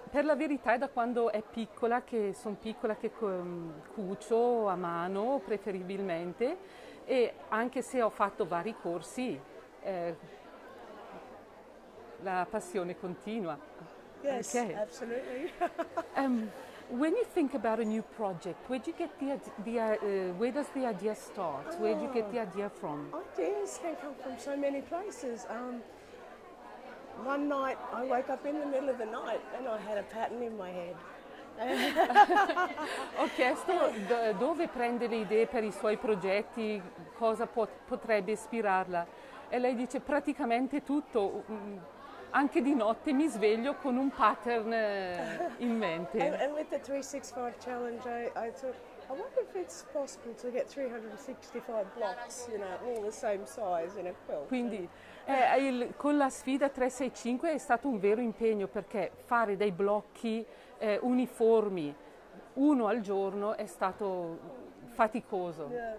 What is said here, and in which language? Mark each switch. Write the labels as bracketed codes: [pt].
[it] per la verità è da quando è piccola che sono piccola che cucio a mano preferibilmente. E anche se ho fatto vari corsi, la passione continua. [en] Yes, okay. Absolutely. When you think about a new project, where do you get where does the idea start? Where do you get the idea from? Ideas can come from so many places. One night I woke up in the middle of the night and I had a pattern in my head. [it] Ho chiesto dove prende le idee per i suoi progetti, cosa potrebbe ispirarla. E lei dice praticamente tutto, anche di notte mi sveglio con un pattern in mente. [en] And with the 365 challenge I thought, I wonder if it's possible to get 365 blocks, you know, all the same size in a quilt. [it] Quindi con la sfida 365 è stato un vero impegno perché fare dei blocchi uniformi uno al giorno è stato faticoso.